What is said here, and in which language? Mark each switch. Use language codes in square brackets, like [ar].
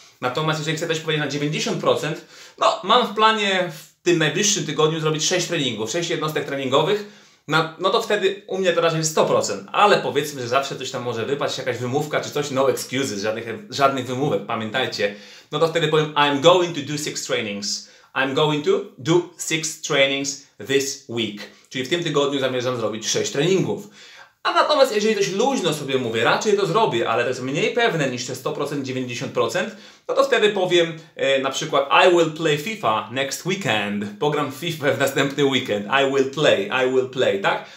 [pl] Natomiast jeżeli chcę też powiedzieć na 90%, no mam w planie w tym najbliższym tygodniu zrobić 6 treningów, 6 jednostek treningowych. No to wtedy u mnie to raczej 100%, ale powiedzmy, że zawsze coś tam może wypaść, jakaś wymówka czy coś, [en] no excuses, [pl] żadnych wymówek, pamiętajcie. [en] No to wtedy powiem, I'm going to do 6 trainings. I'm going to do 6 trainings this week. [pl] Czyli w tym tygodniu zamierzam zrobić 6 treningów. A natomiast jeżeli coś luźno sobie mówię, raczej to zrobię, ale to jest mniej pewne niż te 100%, 90%, no to wtedy powiem na przykład [en] I will play FIFA next weekend. [pl] Pogram FIFA w następny weekend. [en] I will play, [pl] tak?